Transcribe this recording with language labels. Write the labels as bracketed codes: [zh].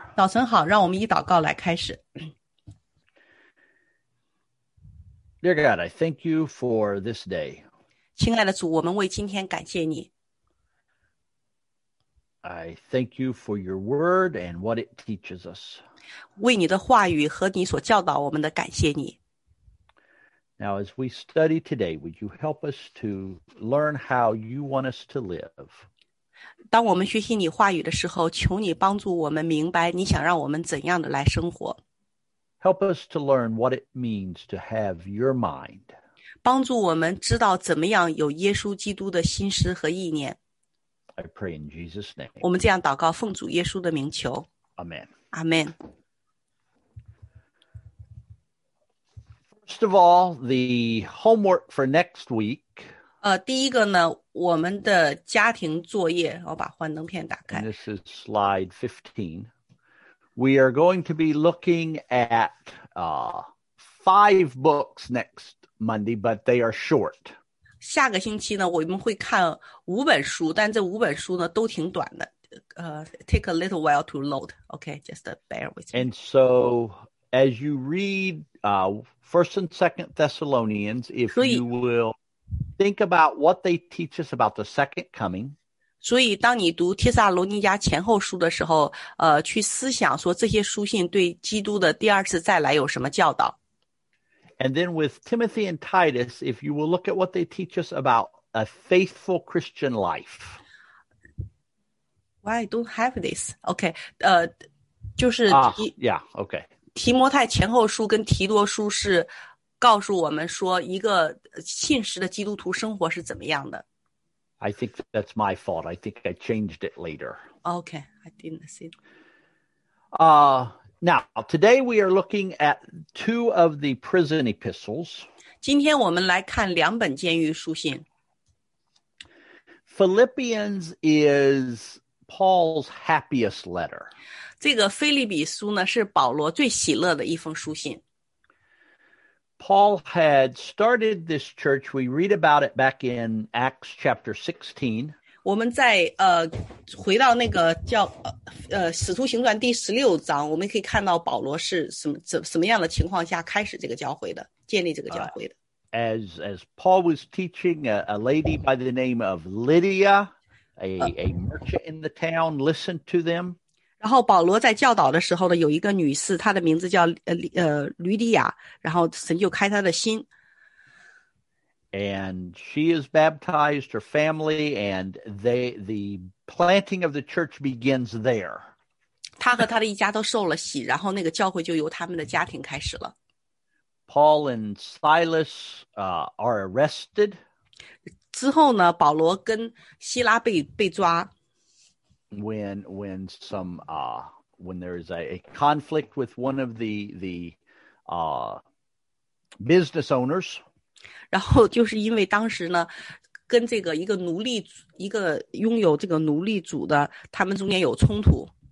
[zh] 早晨好，让我们以祷告来开始。 [en] Dear God, I thank you for this day. [zh] 亲爱的主，我们为今天感谢你。 [en] I thank you for your word and what it teaches us. [zh] 为你的话语和你所教导我们的感谢你。 [en] Now, as we study today, would you help us to learn how you want us to live? [zh] 当我们学习你话语的时候，求你帮助我们明白你想让我们怎样的来生活。 [en] Help us to learn what it means to have your mind. [zh] 帮助我们知道怎么样有耶稣基督的心思和意念。 [en] I pray in Jesus' name. [zh] 我们这样祷告，奉主耶稣的名求。 [en] Amen. Amen. First of all, the homework for next week. [zh] 第一个呢，我们的家庭作业，我把幻灯片打开。 [en] And this is slide 15. We are going to be looking at five books next Monday, but they are short. [zh] 下个星期呢，我们会看五本书，但这五本书呢都挺短的。 [en] Take a little while to load. Okay, just bear with me. And so, as you read First and Second Thessalonians, if you will think about what they teach us about the second coming. [zh] 所以当你读帖撒罗尼迦前后书的时候，去思想说这些书信对基督的第二次再来有什么教导。 [en] And then with Timothy and Titus, if you will look at what they teach us about a faithful Christian life. Why don't have this? Okay. [zh] 就是 [en] yeah, okay. [zh] 提摩太前后书跟提多书是告诉我们说一个信实的基督徒生活是怎么样的。 [en] I think that's my fault. I think I changed it later. Okay, I didn't see it. Now, today we are looking at two of the prison epistles. [zh] 今天我们来看两本监狱书信。 [en] Philippians is Paul's happiest letter. [zh] 这个腓立比书呢，是保罗最喜乐的一封书信。 [en] Paul had started this church. We read about it back in Acts chapter 16. [zh] 我们在回到那个叫使徒行传第十六章，我们可以看到保罗是什么样的情况下开始这个教会的，建立这个教会的。 [en] As Paul was teaching a lady by the name of Lydia, a merchant in the town, listened to them. [zh] 然后保罗在教导的时候呢，有一个女士，她的名字叫吕迪亚，然后神就开她的心。 [en] And she is baptized, her family, and the planting of the church begins there. [zh] 他和他的一家都受了洗，然后那个教会就由他们的家庭开始了。 [en] Paul and Silas are arrested. [zh] 之后呢，保罗跟希拉被抓。 [en] When there is a conflict with one of the business owners. [zh] 然后就是因为当时呢，跟这个一个奴隶，一个拥有这个奴隶主的，他们中间有冲突。